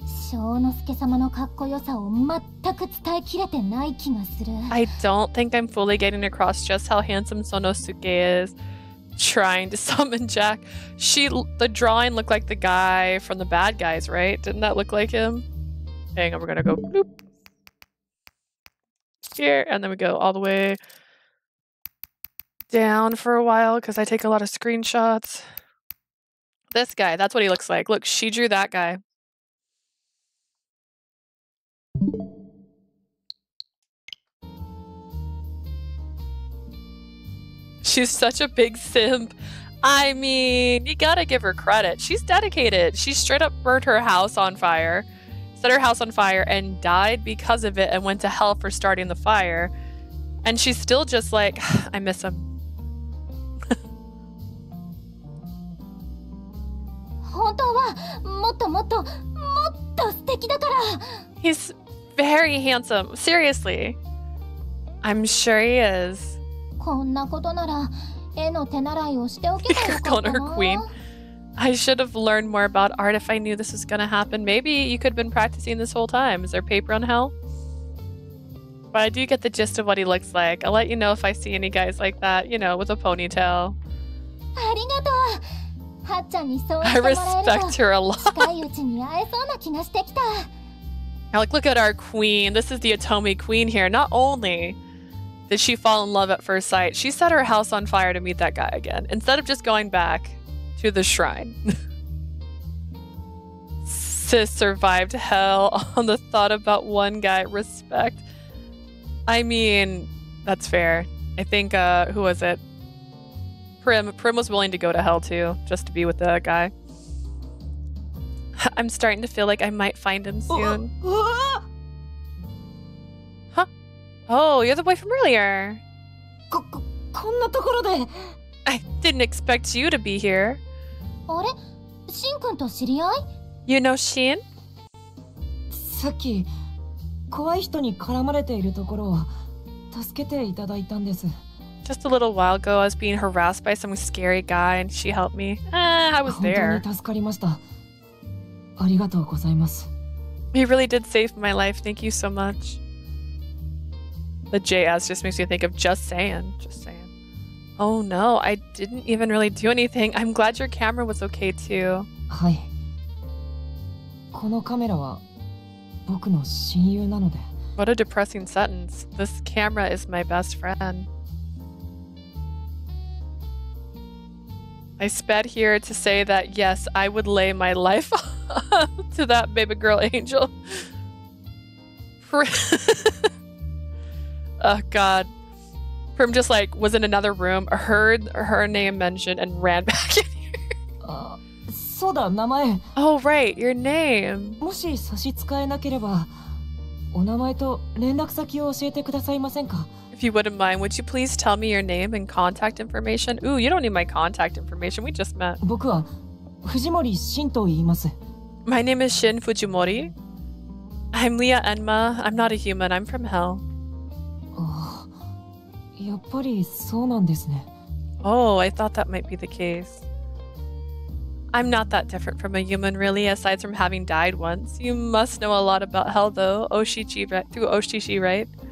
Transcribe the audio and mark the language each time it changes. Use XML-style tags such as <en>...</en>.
<ja>翔之介様のかっこよさを全く伝えきれてない気がする。</ja> <en>I don't think I'm fully getting across just how handsome Sonosuke is. Trying to summon Jack. The drawing looked like the guy from the bad guys, right? Didn't that look like him? Hang on, we're gonna go bloop. Here, and then we go all the way down for a while because I take a lot of screenshots. This guy, that's what he looks like. Look, she drew that guy. She's such a big simp. I mean, you gotta give her credit. She's dedicated. She straight up burnt her house on fire, set her house on fire and died because of it and went to hell for starting the fire. And she's still just like, I miss him.</en> <ja>本当はもっともっと、もっと素敵だから。</ja> <en>He's very handsome. Seriously. I'm sure he is.</en> <ja>こんなことなら絵の手習いをしておけばよかった</ja> <en>な。Her queen. I should have learned more about art if I knew this was gonna happen. Maybe you could have been practicing this whole time. Is there paper on hell? But I do get the gist of what he looks like. I'll let you know if I see any guys like that, you know, with a ponytail.</en> <ja>ありがとう。はっちゃんにそうしてもらえると近いうちに会えそうな気がしてきた。</ja> <en>Like, look at our queen. This is the Otome queen here. Not onlyDid she fall in love at first sight? She set her house on fire to meet that guy again, instead of just going back to the shrine. Sis survived hell on the thought about one guy. Respect. I mean, that's fair. I think, who was it? Prim. Prim was willing to go to hell too, just to be with that guy. I'm starting to feel like I might find him soon. Oh, you're the boy from earlier.</en> <ja>こんなところで。</ja> <en>I didn't expect you to be here.</en> <ja>あれ、シン君と知り合い?</ja> <en>You know Shin?</en> <ja>さっき、怖い人に絡まれているところを助けていただいたんです。</ja> <en>Just a little while ago, I was being harassed by some scary guy and she helped me. I was there.</en> <ja>本当に助かりました。ありがとうございます。</ja> <en>He really did save my life. Thank you so much. The JS just makes me think of just saying, just saying. Oh no, I didn't even really do anything. I'm glad your camera was okay too.</en> <ja>はい。このカメラは僕の親友なので。</ja> <en>What a depressing sentence. This camera is my best friend. I sped here to say that yes, I would lay my life to that baby girl angel. Oh God. Prim just like was in another room, heard her name mentioned, and ran back in here.</en> <ja>そうだ、名前。</ja> <en>Oh, right, your name.</en> <ja>もし差し支えなければ、お名前と連絡先を教えてくださいませんか?</ja> <en>If you wouldn't mind, would you please tell me your name and contact information? Ooh, you don't need my contact information. We just met.</en> <ja>僕は藤森慎と言います。</ja> <en>My name is Shin Fujimori. I'm Lia Enma. I'm not a human. I'm from hell.</en> <ja>やっぱりそうなんですね。</ja> <en>Oh, I thought that might be the case. I'm not that different from a human, really, aside from having died once. You must know a lot about hell, though, Oshichi, through Oshichi, right?</en>